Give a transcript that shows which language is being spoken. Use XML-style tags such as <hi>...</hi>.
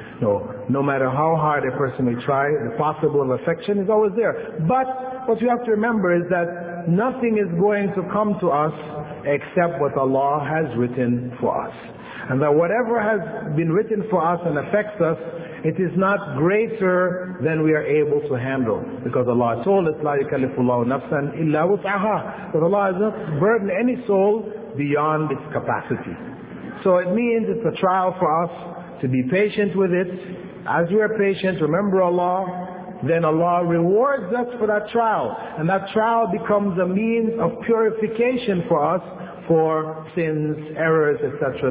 <en>No, no matter how hard a person may try, the possible of affection is always there. But what you have to remember is that nothing is going to come to us except what Allah has written for us. And that whatever has been written for us and affects us, it is not greater than we are able to handle. Because Allah told us,</en> <ar>لا يكلف الله نفسا إلا وسعها.</ar> <en>That Allah has not burdened any soul beyond its capacity. So it means it's a trial for us to be patient with it. As we are patient, remember Allah, then Allah rewards us for that trial. And that trial becomes a means of purification for us for sins, errors, etc.</en>